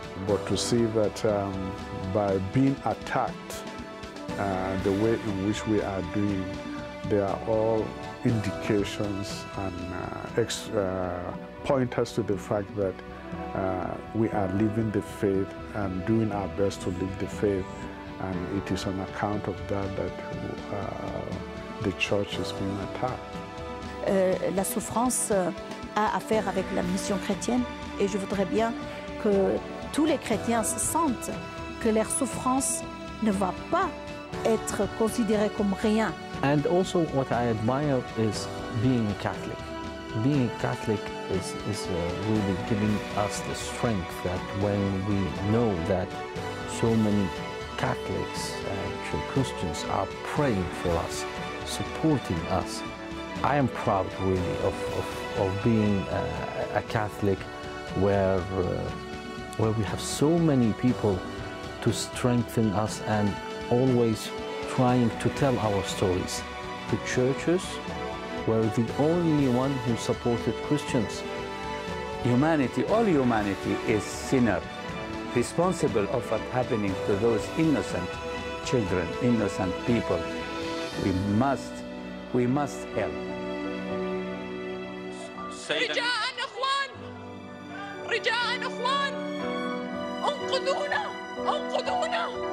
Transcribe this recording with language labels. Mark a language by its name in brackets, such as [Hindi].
[English] But to see that by being attacked the way in which we are doing, they are all indications and pointers to the fact that we are living the faith and doing our best to live the faith, and it is on account of that the church is being attacked. [French] La souffrance a à faire avec la mission chrétienne, et je voudrais bien que tous les chrétiens se sentent que leur souffrance ne va pas être considérée comme rien. [English] And also what I admire is being a Catholic. Being a Catholic is really giving us the strength that when we know that so many Catholics and Christians are praying for us, supporting us, I am proud really of being a Catholic where we have so many people to strengthen us and always trying to tell our stories. The churches were the only one who supported Christians. Humanity, all humanity is sinner, responsible of what happening to those innocent children, innocent people. We must help. [Arabic] رجاءً أخوان، رجاءً أخوان، أنقذونا، أنقذونا.